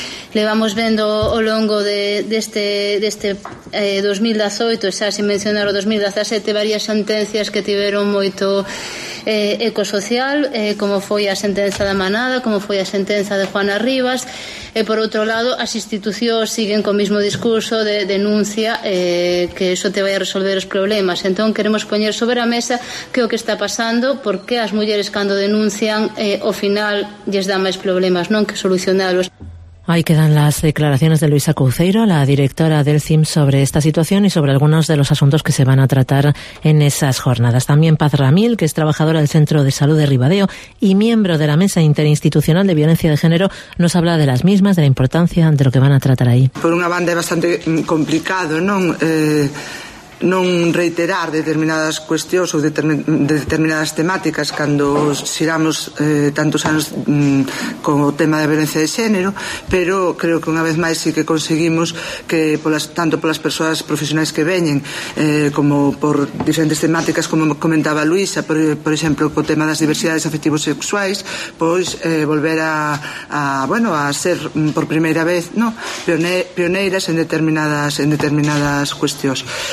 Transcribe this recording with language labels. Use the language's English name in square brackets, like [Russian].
[Galician] Le vamos vendo ao longo deste 2018, xa sin mencionar o 2017, varias sentencias que tiveron moito eco social, como foi a sentenza da Manada, como foi a sentenza de Juana Rivas, e por outro lado as institucións siguen co mismo discurso de denuncia, que iso te vai a resolver os problemas. Entón queremos poñer sobre a mesa que o que está pasando, porque as mulleres cando denuncian ao final lles dan máis problemas, non que solucionalos. [Spanish] Ahí quedan las declaraciones de Luisa Couceiro, la directora del CIM, sobre esta situación y sobre algunos de los asuntos que se van a tratar en esas jornadas. También Paz Ramil, que es trabajadora del Centro de Salud de Ribadeo y miembro de la Mesa Interinstitucional de Violencia de Género, nos habla de las mismas, de la importancia de lo que van a tratar ahí. Por una banda es bastante complicado, ¿no? [Galician] Non reiterar determinadas cuestións ou determinadas temáticas cando xiramos tantos anos con o tema da violencia de xénero, pero creo que unha vez máis sí que conseguimos que tanto polas persoas profesionais que veñen como por diferentes temáticas, como comentaba Luisa, por exemplo, co tema das diversidades afectivos sexuais, pois volver a ser por primeira vez, no, pioneiras en determinadas cuestións.